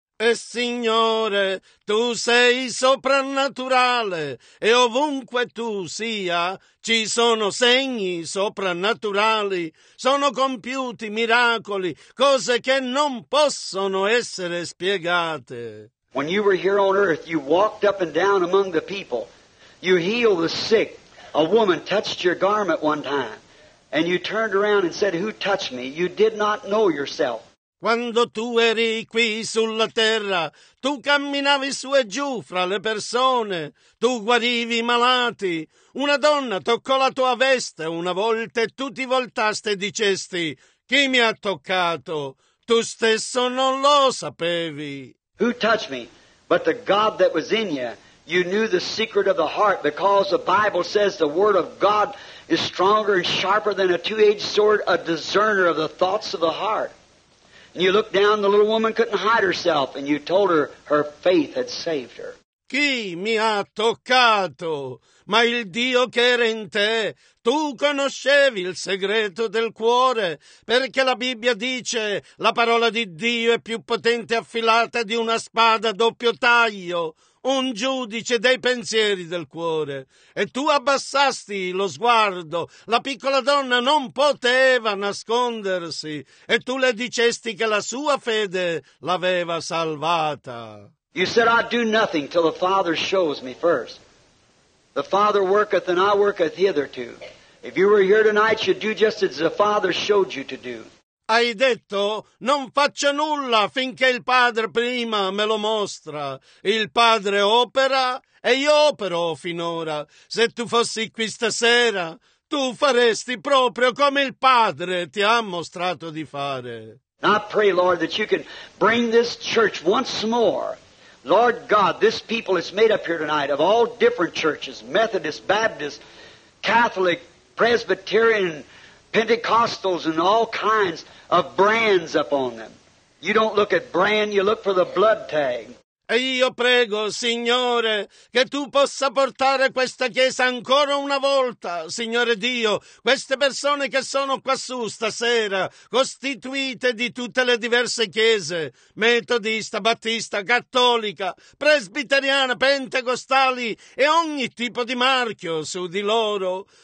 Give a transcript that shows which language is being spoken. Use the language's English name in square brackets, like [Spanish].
[Italian] E Signore, Tu sei soprannaturale, e ovunque Tu sia, ci sono segni soprannaturali, sono compiuti miracoli, cose che non possono essere spiegate. [English] When you were here on earth, you walked up and down among the people. You healed the sick. A woman touched your garment one time. And you turned around and said, "Who touched me?" You did not know yourself. [Italian] Quando tu eri qui sulla terra, tu camminavi su e giù fra le persone, tu guarivi i malati. Una donna toccò la tua veste una volta e tu ti voltaste e dicesti, "Chi mi ha toccato?" Tu stesso non lo sapevi. [English] Who touched me? But the God that was in you. You knew the secret of the heart because the Bible says the Word of God is stronger and sharper than a two-edged sword, a discerner of the thoughts of the heart. And you looked down, the little woman couldn't hide herself, and you told her her faith had saved her. [Italian] Chi mi ha toccato? Ma il Dio che era in te, tu conoscevi il segreto del cuore, perché la Bibbia dice la parola di Dio è più potente affilata di una spada a doppio taglio. Un giudice dei pensieri del cuore. E tu abbassasti lo sguardo. La piccola donna non poteva nascondersi. E tu le dicesti che la sua fede l'aveva salvata. [English] You said, "I do nothing till the Father shows me first. The Father worketh and I worketh hitherto." If you were here tonight, you'd do just as the Father showed you to do. [Italian] Hai detto, non faccio nulla finché il Padre prima me lo mostra. Il Padre opera e io opero finora. Se tu fossi qui stasera, tu faresti proprio come il Padre ti ha mostrato di fare. [English] I pray, Lord, that you can bring this church once more. Lord God, this people is made up here tonight of all different churches, Methodist, Baptist, Catholic, Presbyterian, Pentecostals and all kinds of brands upon them. You don't look at brand, you look for the blood tag. [Italian] E io prego, Signore, che Tu possa portare questa Chiesa ancora una volta, Signore Dio, queste persone che sono quassù stasera, costituite di tutte le diverse Chiese, metodista, battista, cattolica, presbiteriana, pentecostali e ogni tipo di marchio su di loro.